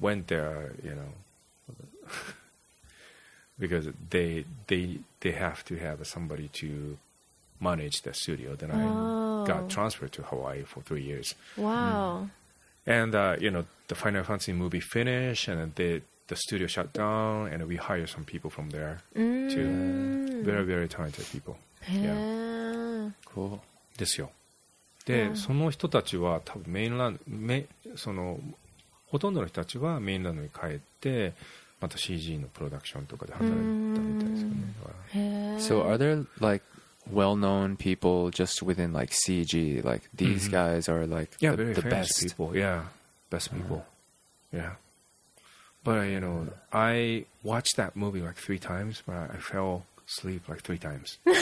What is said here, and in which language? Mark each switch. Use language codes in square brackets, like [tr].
[en] I went there, you know, because they have to have somebody to manage the studio. Then I got transferred to Hawaii for 3 years. Wow, and you know, the Final Fantasy movie finished, and the studio shut down, and we hired some people from there to very, very talented people. Yeah. Cool. [ja] ですよ。で、その人たちは多分メインランド、そのほとんどの人たちはメインランドに帰って、また CG のプロダクションとかで働いたみたいですよね。 [en] So are there like well-known people just within like CG? Like these guys are like the best people. Yeah, best people. Yeah. But, you know, I watched that movie like 3 times, but I fell asleep like 3 times.